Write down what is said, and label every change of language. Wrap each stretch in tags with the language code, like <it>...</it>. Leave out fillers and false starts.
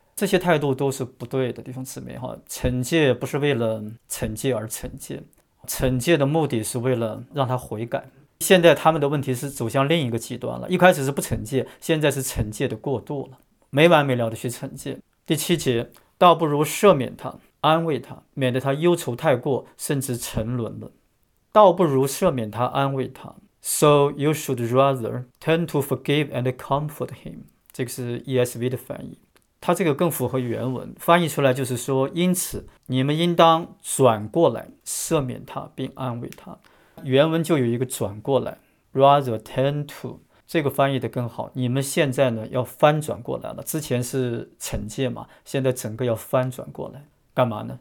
<zh>这些态度都是不对的，弟兄姊妹，惩戒不是为了惩戒而惩戒，惩戒的目的是为了让他悔改。现在他们的问题是走向另一个极端了，一开始是不惩戒，现在是惩戒的过度了。没完没了的去惩戒。第七节，倒不如赦免他，安慰他，免得他忧愁太过，甚至沉沦了。倒不如赦免他，安慰他。</zh> <en>So you should rather tend to forgive and comfort him。</en> <zh>这个是 ESV 的翻译，它这个更符合原文。翻译出来就是说，因此你们应当转过来赦免他，并安慰他。原文就有一个转过来 ，</zh> <en>rather tend to。</en> <zh>这个翻译的更好，你们现在呢要翻转过来了，之前是惩戒嘛，现在整个要翻转过来，干嘛呢？</zh>